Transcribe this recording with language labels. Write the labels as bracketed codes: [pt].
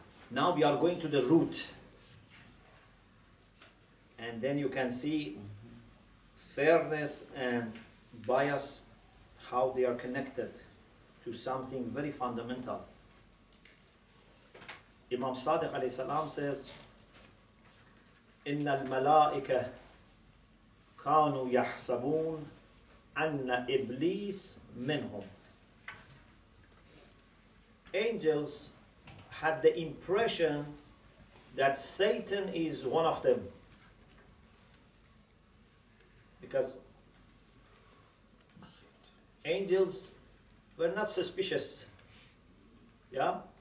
[en] Now we are going to the root. And then you can see fairness and bias, how they are connected to something very fundamental. Imam Sadiq alayhi salam says, [ar] إن الملائكة كانوا يحسبون أن إبليس منهم. [en] Angels had the impression that Satan is one of them. Because angels were not suspicious. Yeah?